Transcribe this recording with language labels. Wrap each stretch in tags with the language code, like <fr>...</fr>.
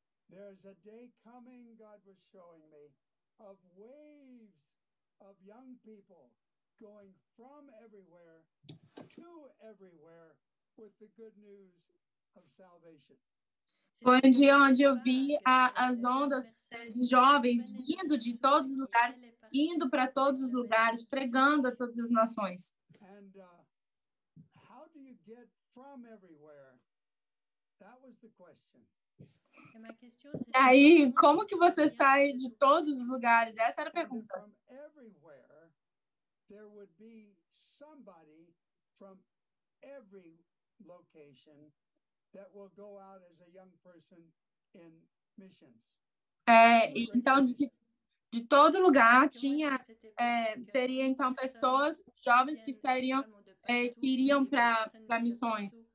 <en>There is a day coming, God was showing me, of waves of young people going from everywhere to everywhere with the good news of salvation.</en> <pt>Foi de onde eu vi as ondas de jovens vindo de todos os lugares, indo para todos os lugares, pregando a todas as nações.</pt> <en>And, how do you get from everywhere? That was the question.</en> <pt>E aí, como que você sai de todos os lugares? Essa era a pergunta.</pt> <en>From everywhere, there would be somebody from every location that will go out as a young person in missions.</en> <pt>Então, de todo lugar tinha, teria então pessoas, jovens que seriam, iriam para missões.</pt>